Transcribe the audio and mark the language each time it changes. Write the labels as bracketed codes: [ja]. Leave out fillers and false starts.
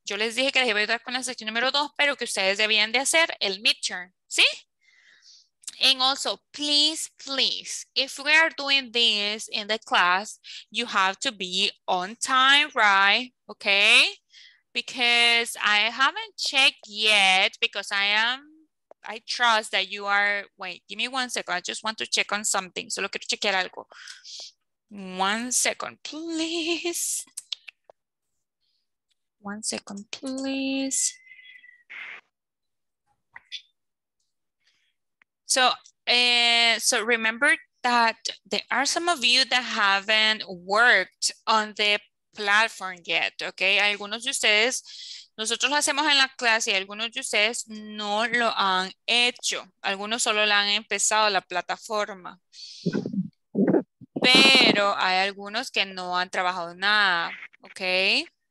[es] Yo les dije que les iba a ayudar con la sección número 2, pero que ustedes debían de hacer el midterm, ¿sí? [en] And also, please, please, if we are doing this in the class, you have to be on time, right? Okay? Because I haven't checked yet, because I trust that you are, wait, give me one second. I just want to check on something. [es] Solo quiero chequear algo. [en] One second, please. One second, please. So remember that there are some of you that haven't worked on the platform yet, okay? [es] Algunos de ustedes, nosotros lo hacemos en la clase y algunos de ustedes no lo han hecho. Algunos solo la han empezado la plataforma. Pero hay algunos que no han trabajado nada, okay?